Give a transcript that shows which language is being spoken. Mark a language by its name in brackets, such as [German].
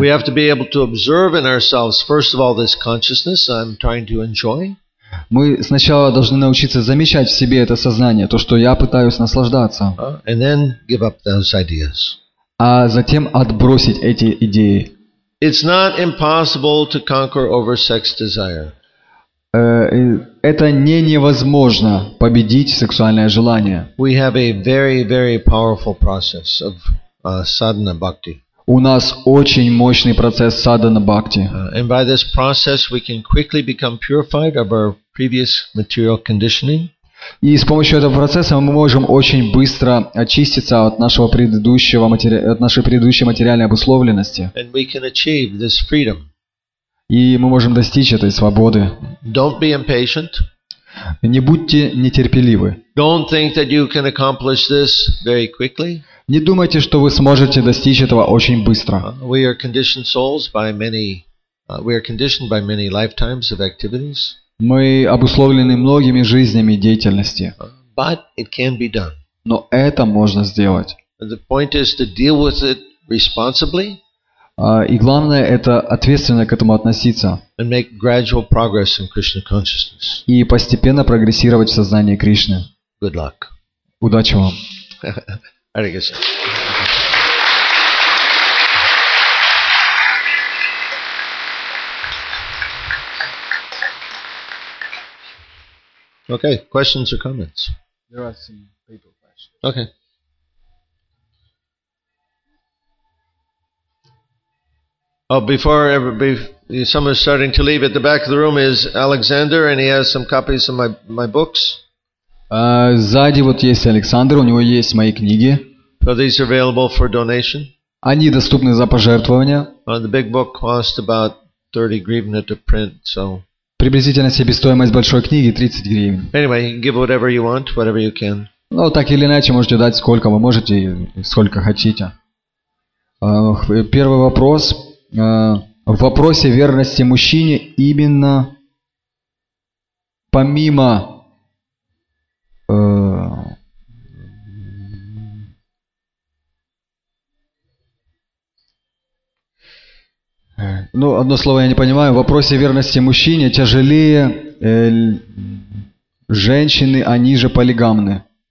[English] We have to be able to observe in ourselves first of all this consciousness I'm trying to enjoy. [Russian] Мы сначала должны научиться замечать в себе это сознание, то, что я пытаюсь наслаждаться. [English] And then give up those ideas. [Russian] А затем отбросить эти идеи. [English] It's not impossible to conquer over sex desire. [Russian] Это не невозможно победить сексуальное желание. [English] We have a very, very powerful process of sadhana bhakti. [Russian] У нас очень мощный процесс садхана бхакти. [English] And by this process we can quickly become purified of our previous material conditioning. [Russian] И с помощью этого процесса мы можем очень быстро очиститься от нашей предыдущей материальной обусловленности. [English] And we can achieve this freedom. [Russian] И мы можем достичь этой свободы. [English] Don't be impatient. [Russian] Не будьте нетерпеливы. [English] Don't think that you can accomplish this very quickly. [Russian] Не думайте, что вы сможете достичь этого очень быстро. [English] We are conditioned souls by many, we are conditioned by many lifetimes of activities. [Russian] Мы обусловлены многими жизнями деятельности. [English] But it can be done. [Russian] Но это можно сделать. [English] The point is to deal with it responsibly. [Russian] И главное, это ответственно к этому относиться. [English] And make gradual progress in Krishna consciousness. [Russian] И постепенно прогрессировать в сознании Кришны. [English] Good luck. [Russian] Удачи вам. [English] Hare Krishna. Okay, questions or comments? There are some people questions. Okay. Oh, before someone is starting to leave, at the back of the room is Alexander, and he has some copies of my books. [Russian] Сзади вот есть Александр, у него есть мои книги. [English] So these are available for donation. [Russian] Они доступны за пожертвования. [English] The big book costs about 30 гривна to print, so. [Russian] Приблизительно себестоимость большой книги 30 гривен. [English] Anyway, give whatever you want, whatever you can. [Russian] Ну, так или иначе, можете дать сколько вы можете, сколько хотите. Первый вопрос. В вопросе верности мужчине именно помимо ну, одно слово я не понимаю. В вопросе верности мужчине тяжелее женщины, они же полигамны.